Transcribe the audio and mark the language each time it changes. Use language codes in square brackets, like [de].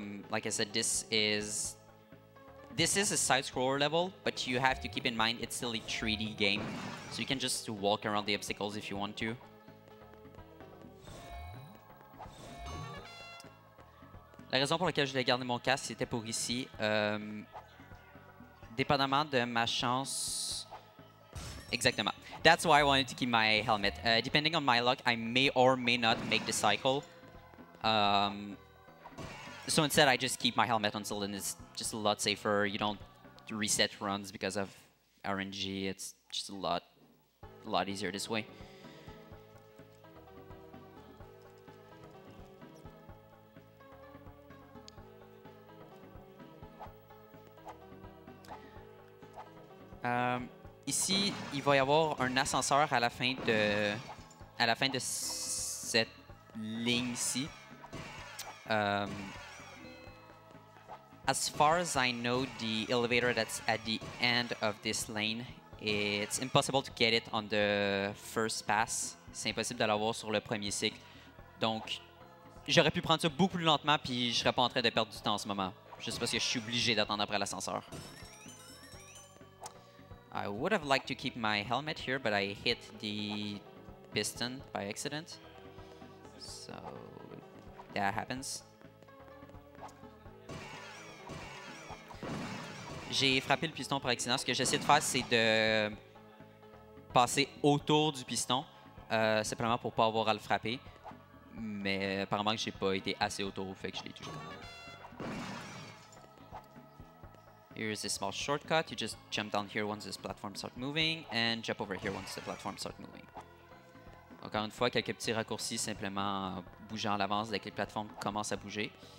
[en] Like I said, this is a side-scroller level, but you have to keep in mind it's still a 3D game. So you can just walk around the obstacles if you want to. [fr] La raison pour laquelle je voulais garder mon casque, c'était pour ici. Dépendamment de ma chance... Exactement. [en] That's why I wanted to keep my helmet. Depending on my luck, I may or may not make the cycle. So instead, I just keep my helmet until then. It's just a lot safer. You don't reset runs because of RNG. It's just a lot easier this way. [fr] Ici, il va y avoir un ascenseur à la fin de cette ligne-ci. [en] As far as I know, the elevator that's at the end of this lane, it's impossible to get it on the first pass. [fr] C'est impossible de l'avoir sur le premier cycle. Donc, j'aurais pu prendre ça beaucoup plus lentement, puis je serais pas en train de perdre du temps en ce moment. Juste parce que je suis obligé d'attendre après l'ascenseur. [en] I would have liked to keep my helmet here, but I hit the piston by accident. So, that happens. [fr] J'ai frappé le piston par accident. Ce que j'essaie de faire, c'est de passer autour du piston, simplement pour pas avoir à le frapper. Mais apparemment, j'ai pas été assez autour, fait que je l'ai touché. [en] Here's a small shortcut. You just jump down here once this platform starts moving, and jump over here once the platform starts moving. [fr] Encore une fois, quelques petits raccourcis simplement bougeant à l'avance dès que les plateformes commencent à bouger.